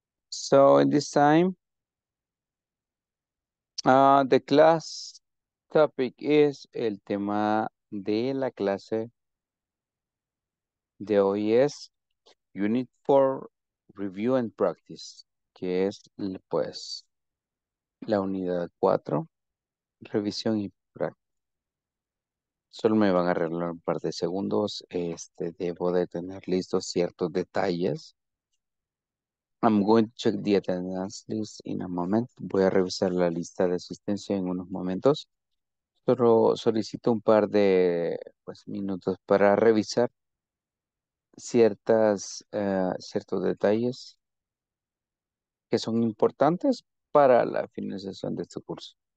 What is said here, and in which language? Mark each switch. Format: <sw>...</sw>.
<en>So in this time, the class topic is</en> <es>el tema de la clase de hoy es</es> <en>Unit 4 Review and Practice,</en> <es>que es pues la unidad 4, revisión y práctica. Solo me van a arreglar un par de segundos. Debo de tener listos ciertos detalles.</es> <en>I'm going to check the attendance list in a moment.</en> <es>Voy a revisar la lista de asistencia en unos momentos. Solo solicito un par de pues, minutos para revisar ciertos detalles que son importantes para la finalización de este curso.</es>